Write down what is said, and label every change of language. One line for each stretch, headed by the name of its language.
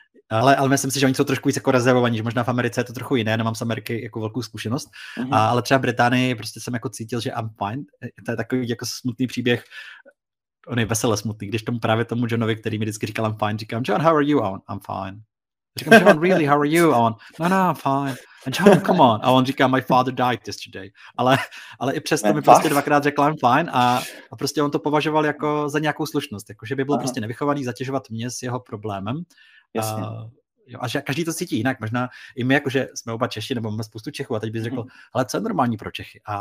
Czech: Ale myslím si, že oni jsou trošku víc jako rezervovaní, že možná v Americe je to trochu jiné, nemám z Ameriky jako velkou zkušenost, ale třeba v Británii prostě jsem jako cítil, že
English: I'm fine,
Czech: to je takový jako smutný příběh. On je vesele smutný, když tomu právě tomu Johnovi, který mi vždycky říkal,
English: I'm fine,
Czech: říkám, John,
English: how are you?
Czech: On,
English: I'm fine.
Czech: Říkám,
English: John, really, how are you?
Czech: On,
English: no, I'm fine. And John, come on.
Czech: A on říká, my father died yesterday. Ale i přesto mi prostě dvakrát řekl,
English: I'm fine.
Czech: A prostě on to považoval jako za nějakou slušnost. Jakože by byl prostě nevychovaný zatěžovat mě s jeho problémem. A že každý to cítí jinak. Možná i my, jakože jsme oba Češi, nebo máme spoustu Čechů, a teď bys řekl, ale co je normální pro Čechy?